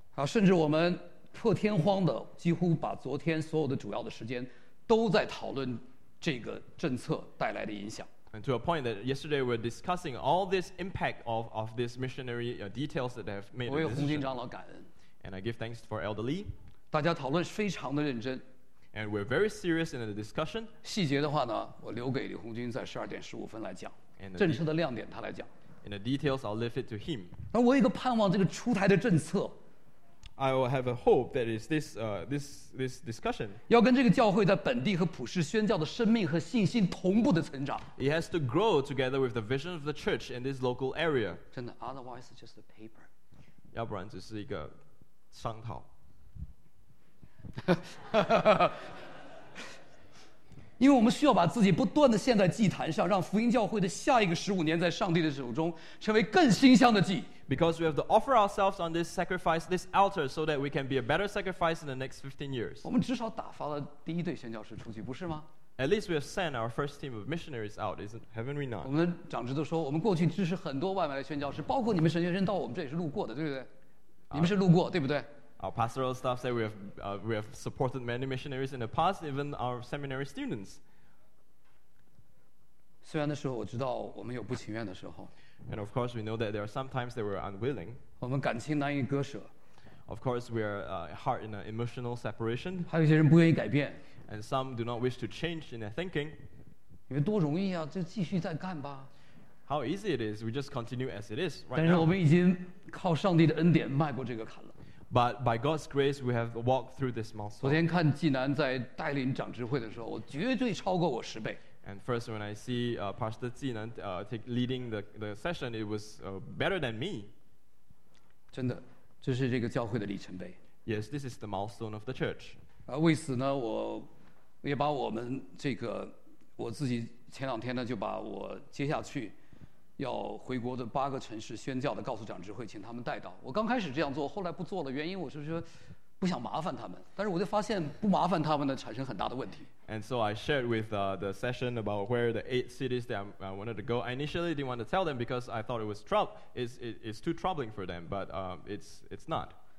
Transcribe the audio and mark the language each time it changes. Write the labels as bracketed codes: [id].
[zh] 好，甚至我们破天荒的几乎把昨天所有的主要的时间都在讨论这个政策带来的影响。 [en] And to a point that yesterday we're discussing all this impact of this missionary details that they have made. [zh] 我为红军长老感恩。 [en] And I give thanks for Elder Lee. [zh] 大家讨论非常的认真。 [en] And we're very serious in the discussion. [zh] 细节的话呢，我留给李红军在12:15来讲。政策的亮点他来讲。 [en] In the details, I'll leave it to him. [zh] 那我有一个盼望，这个出台的政策。 [en] I will have a hope that is this this discussion. [zh] 要跟这个教会在本地和普世宣教的生命和信心同步的成长。 [en] It has to grow together with the vision of the church in this local area. [zh] 真的 [en] ，otherwise it's just a paper. [zh] 要不然只是一个商讨。因为我们需要把自己不断地献在祭坛上，让福音教会的下一个15年在上帝的手中成为更馨香的祭。 [en] Because we have to offer ourselves on this sacrifice, this altar, so that we can be a better sacrifice in the next 15 years. [zh] 我们至少打发了第一对宣教士出去，不是吗 [en] ？At least we have sent our first team of missionaries out, haven't we not? [zh] 我们长执都说，我们过去支持很多外来的宣教士，包括你们神学生到我们这里是路过的，对不对？你们是路过，对不对？ [en] Our pastoral staff say we have supported many missionaries in the past, even our seminary students. [zh] 虽然的时候我知道我们有不情愿的时候。 [en] And of course, we know that there are sometimes that we are unwilling. [zh] 我们感情难以割舍。 [en] Of course, we are hard in an emotional separation. [zh] 还有一些人不愿意改变。 [en] And some do not wish to change in their thinking. [zh] 因为多容易啊，就继续再干吧。 [en] How easy it is, we just continue as it is right [zh] now. 但是我们已经靠上帝的恩典迈过这个坎了。 [en] But by God's grace, we have walked through this mountain. [zh] 昨天看济南在带领长执会的时候，我绝对超过我十倍。 [en] And first, when I see Pastor Jinan leading the session, it was better than me. [zh] 真的，这是这个教会的里程碑。 [en] Yes, this is the milestone of the church. [zh] 为此呢，我也把我们这个我自己前两天呢，就把我接下去要回国的8个城市宣教的告诉长执会，请他们带到。我刚开始这样做，后来不做了，原因我是说不想麻烦他们，但是我就发现不麻烦他们呢产生很大的问题。 [en] And so I shared with the session about where the 8 cities that I wanted to go. I initially didn't want to tell them because I thought it's too troubling for them, but it's not.